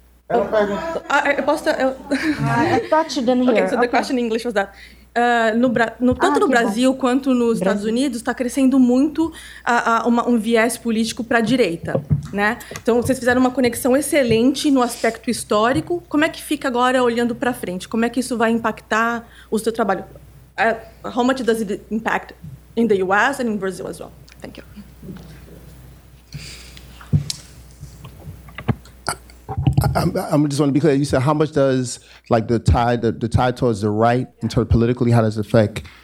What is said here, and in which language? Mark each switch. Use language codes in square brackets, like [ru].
[en] Okay, so the question in English was that. [pt] No Brasil quanto nos Estados Unidos, está crescendo muito um viés político para a direita, né? Então, vocês fizeram uma conexão excelente no aspecto histórico. Como é que fica agora olhando para frente? Como é que isso vai impactar o seu trabalho? [en] How much does it impact in the U.S. and in Brazil as well? Thank you. I just want to be clear. You said how much does the tide towards the right, yeah, inter politically, how does it affect?